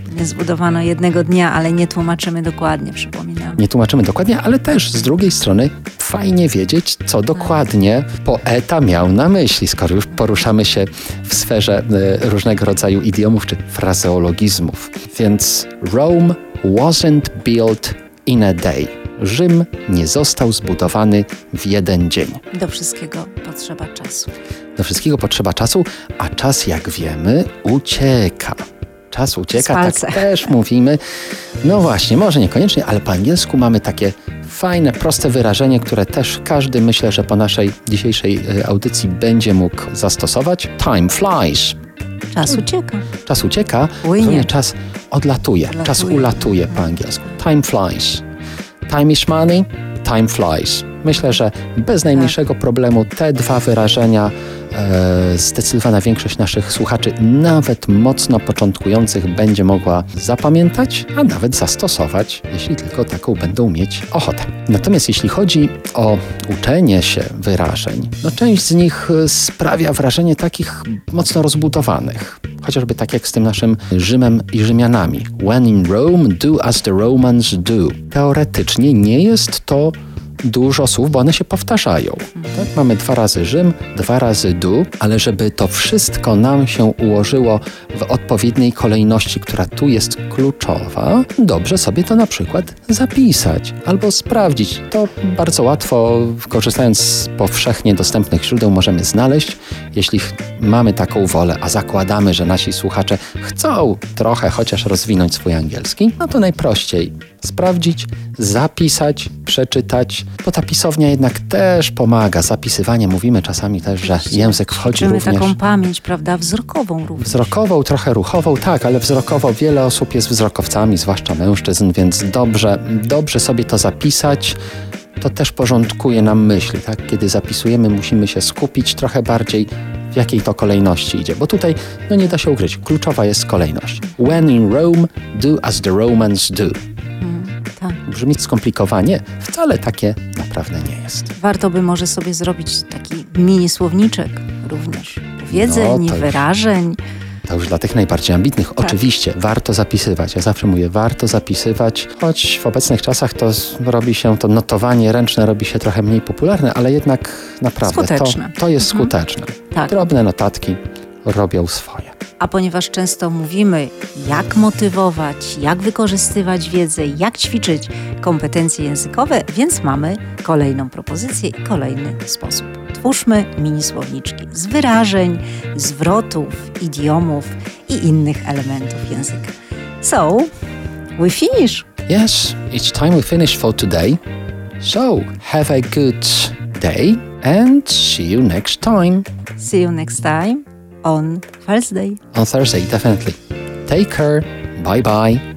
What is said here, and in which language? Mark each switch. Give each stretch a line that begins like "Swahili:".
Polish: Nie zbudowano jednego dnia, ale nie tłumaczymy dokładnie, przypominam. Nie tłumaczymy dokładnie, ale też z drugiej strony fajnie wiedzieć, co dokładnie poeta miał na myśli, skoro już poruszamy się w sferze różnego rodzaju idiomów czy frazeologizmów. Więc
English: Rome wasn't built in a day.
Polish: Rzym nie został zbudowany w jeden dzień. Do wszystkiego potrzeba czasu. Do wszystkiego potrzeba czasu, a czas, jak wiemy, ucieka. Czas ucieka, tak też mówimy. No właśnie, może niekoniecznie, ale po angielsku mamy takie fajne, proste wyrażenie, które też każdy, myślę, że po naszej dzisiejszej audycji będzie mógł zastosować.
English: Time flies.
Polish: Czas ucieka. Czas ucieka, rozumiem, czas odlatuje. Latuje. Czas ulatuje po angielsku.
English: Time flies. Time is money, time flies.
Polish: Myślę, że bez najmniejszego problemu te dwa wyrażenia zdecydowana większość naszych słuchaczy, nawet mocno początkujących, będzie mogła zapamiętać, a nawet zastosować, jeśli tylko taką będą mieć ochotę. Natomiast jeśli chodzi o uczenie się wyrażeń, no część z nich sprawia wrażenie takich mocno rozbudowanych. Chociażby tak jak z tym naszym Rzymem i Rzymianami.
English: When in Rome, do as the Romans do.
Polish: Teoretycznie nie jest to dużo słów, bo one się powtarzają. Tak? Mamy dwa razy Rzym, dwa razy do, ale żeby to wszystko nam się ułożyło w odpowiedniej kolejności, która tu jest kluczowa, dobrze sobie to na przykład zapisać albo sprawdzić. To bardzo łatwo, korzystając z powszechnie dostępnych źródeł, możemy znaleźć. Jeśli mamy taką wolę, a zakładamy, że nasi słuchacze chcą trochę chociaż rozwinąć swój angielski, no to najprościej sprawdzić, zapisać, przeczytać, bo ta pisownia jednak też pomaga. Zapisywanie, mówimy czasami też, że język wchodzi również... Taką pamięć, prawda, wzrokową również. Wzrokową, trochę ruchową, tak, ale wzrokowo wiele osób jest wzrokowcami, zwłaszcza mężczyzn, więc dobrze sobie to zapisać. To też porządkuje nam myśli, tak? Kiedy zapisujemy, musimy się skupić trochę bardziej, w jakiej to kolejności idzie. Bo tutaj, no nie da się ukryć, kluczowa jest kolejność.
English: When in Rome, do as the Romans do.
Polish: Brzmi skomplikowanie, wcale takie naprawdę nie jest. Warto by może sobie zrobić taki mini słowniczek również wiedzeń, no, to już, wyrażeń. To już dla tych najbardziej ambitnych. Tak. Oczywiście, warto zapisywać. Ja zawsze mówię, warto zapisywać, choć w obecnych czasach to robi się, to notowanie ręczne robi się trochę mniej popularne, ale jednak naprawdę to jest skuteczne. Tak. Drobne notatki robią swoje. A ponieważ często mówimy, jak motywować, jak wykorzystywać wiedzę, jak ćwiczyć kompetencje językowe, więc mamy kolejną propozycję i kolejny sposób. Twórzmy mini słowniczki z wyrażeń, zwrotów, idiomów i innych elementów języka.
English: So, we finish. Yes, it's time we finish for today. So, have a good day and see you next time. See you next time. On Thursday. On Thursday, definitely. Take care. Bye-bye.